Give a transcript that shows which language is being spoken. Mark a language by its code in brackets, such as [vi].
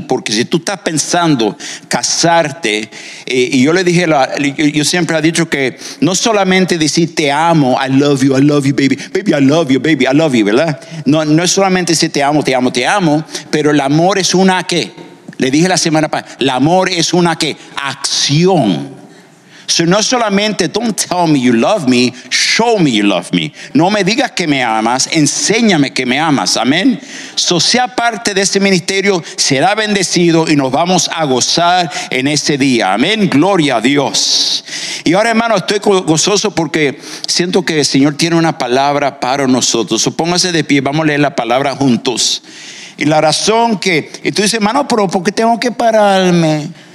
[es] Porque si tú estás pensando casarte, y yo le dije, yo siempre he dicho que no solamente decir te amo, [en] I love you baby, baby, I love you, baby, [es] I love you, ¿verdad? No es solamente decir te amo, te amo, te amo, pero el amor es una ¿qué? Le dije la semana pasada, el amor es una ¿qué? Acción. [en] So, [es] no solamente [en] don't tell me you love me, show me you love me. [es] No me digas que me amas, enséñame que me amas. Amén. So, sea parte de ese ministerio, será bendecido y nos vamos a gozar en ese día. Amén. Gloria a Dios. Y ahora, hermano, estoy gozoso porque siento que el Señor tiene una palabra para nosotros. So, póngase de pie, vamos a leer la palabra juntos. Y la razón que, y tú dices, hermano, pero ¿por qué tengo que pararme?